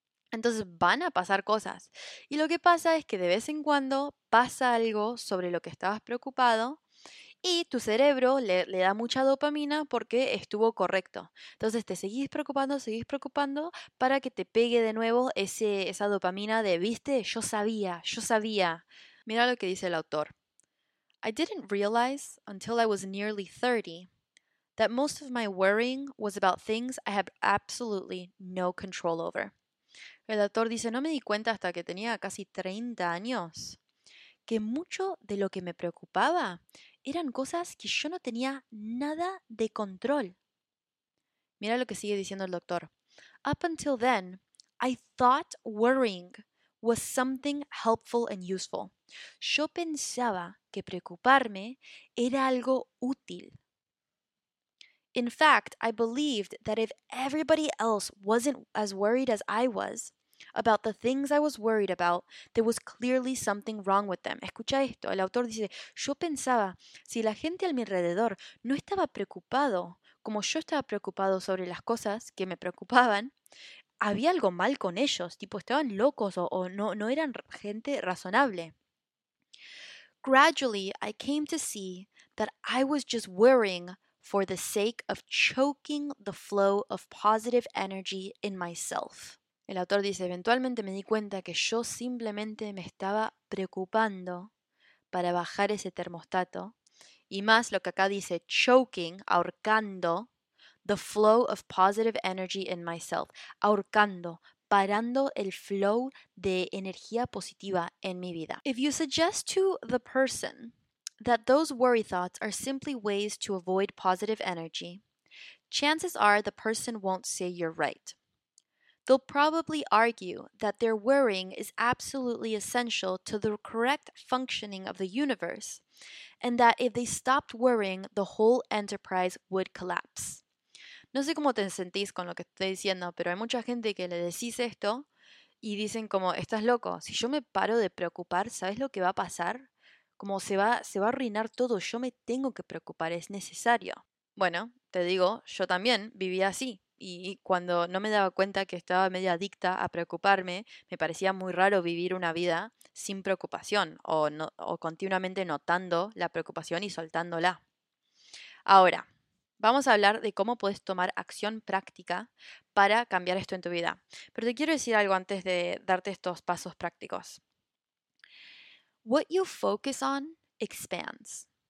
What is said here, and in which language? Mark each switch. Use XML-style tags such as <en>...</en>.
<es>Entonces van a pasar cosas. Y lo que pasa es que de vez en cuando pasa algo sobre lo que estabas preocupado. Y tu cerebro le da mucha dopamina porque estuvo correcto. Entonces te seguís preocupando para que te pegue de nuevo esa dopamina de, viste, yo sabía, yo sabía. Mira lo que dice el autor.</es> <en>I didn't realize until I was nearly 30 that most of my worrying was about things I have absolutely no control over.</en> <es>El autor dice, no me di cuenta hasta que tenía casi 30 años que mucho de lo que me preocupaba eran cosas que yo no tenía nada de control. Mira lo que sigue diciendo el doctor.</es> <en>Up until then, I thought worrying was something helpful and useful.</en> <es>Yo pensaba que preocuparme era algo útil.</es> <en>In fact, I believed that if everybody else wasn't as worried as I was about the things I was worried about, there was clearly something wrong with them.</en> <es>Escucha esto, el autor dice, yo pensaba, si la gente a mi alrededor no estaba preocupado como yo estaba preocupado sobre las cosas que me preocupaban, había algo mal con ellos, tipo estaban locos o no eran gente razonable.</es> <en>Gradually, I came to see that I was just worrying for the sake of choking the flow of positive energy in myself.</en> <es>El autor dice, eventualmente me di cuenta que yo simplemente me estaba preocupando para bajar ese termostato y más lo que acá dice, choking, ahorcando,</es> <en>the flow of positive energy in myself,</en> <es>ahorcando, parando el flow de energía positiva en mi vida.</es> <en>If you suggest to the person that those worry thoughts are simply ways to avoid positive energy, chances are the person won't say you're right. They'll probably argue that their worrying is absolutely essential to the correct functioning of the universe, and that if they stopped worrying, the whole enterprise would collapse.</en> <es>No sé cómo te sentís con lo que estoy diciendo, pero hay mucha gente que le decís esto y dicen como, estás loco, si yo me paro de preocupar, ¿sabes lo que va a pasar? Como se va a arruinar todo, yo me tengo que preocupar, es necesario. Bueno, te digo, yo también vivía así. Y cuando no me daba cuenta que estaba media adicta a preocuparme, me parecía muy raro vivir una vida sin preocupación o, no, o continuamente notando la preocupación y soltándola. Ahora, vamos a hablar de cómo puedes tomar acción práctica para cambiar esto en tu vida. Pero te quiero decir algo antes de darte estos pasos prácticos.</es> <en>What you focus on expands.</en>